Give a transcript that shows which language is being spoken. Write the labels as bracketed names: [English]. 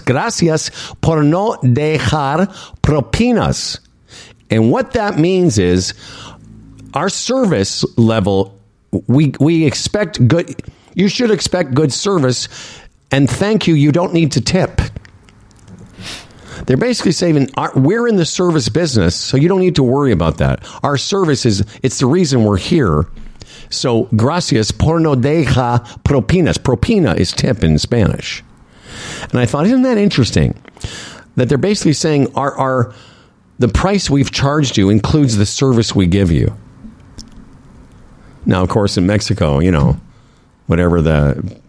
[Spanish] Gracias por no dejar propinas. [English] And what that means is our service level, we expect good, you should expect good service, and thank you, you don't need to tip. They're basically saying, we're in the service business, so you don't need to worry about that. Our service is, it's the reason we're here. So, [Spanish] gracias por no dejar propinas. [English] Propina is tip in Spanish. And I thought, isn't that interesting? That they're basically saying, the price we've charged you includes the service we give you. Now, of course, in Mexico, you know, whatever the